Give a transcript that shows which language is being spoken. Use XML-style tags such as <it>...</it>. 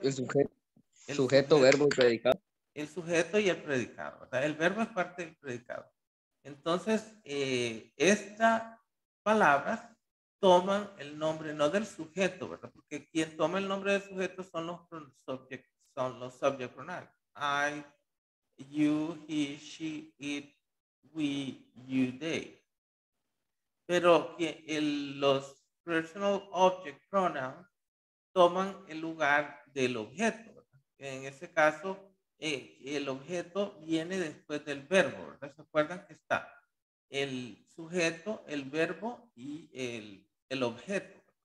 <es>El sujeto. sujeto, verbo y predicado. El sujeto y el predicado, ¿verdad? El verbo es parte del predicado. Entonces, estas palabras toman el nombre, no del sujeto, ¿verdad? Porque quien toma el nombre del sujeto son los subject pronouns.</es> <en>I, you, he, she, it, we, you, they.</en> <es>Pero los personal object pronouns toman el lugar del objeto, ¿verdad? En ese caso, el objeto viene después del verbo, ¿verdad? ¿Se acuerdan que está el sujeto, el verbo y el objeto?</es>